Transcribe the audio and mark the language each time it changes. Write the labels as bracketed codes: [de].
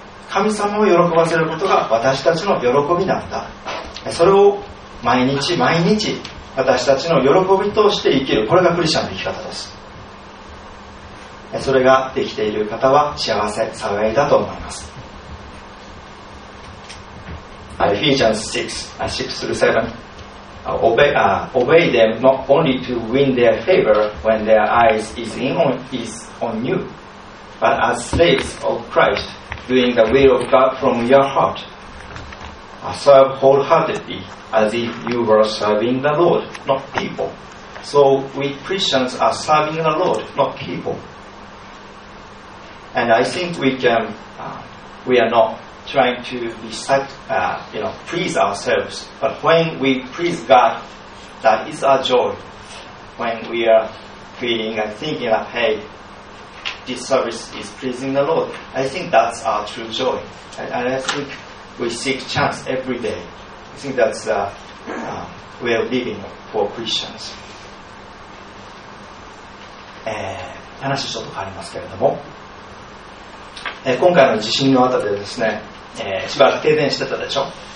[ja] 神様を喜ばせることが私たちの喜びなんだ、それを毎日毎日私たちの喜びとして生きる、これがクリスチャンの生き方です。それができている方は幸せ、幸いだと思います。 [en] エフィジャンス 6-7 Obey them not only to win their favor when their eyes is on you, but as slaves of Christ, doing the will of God from your heart. Serve wholeheartedly as if you were serving the Lord, not people. So we Christians are serving the Lord, not people. And I think we are not trying to please ourselves. But when we please God, that is our joy. When we are feeling and thinking that, hey, this service is pleasing the Lord, I think that's our true joy. And I think we seek chance every day. I think that's the way of living for Christians. [ja] 話ちょっと変わりますけれども。今回の地震の後でですね、しばらく停電してたでしょ。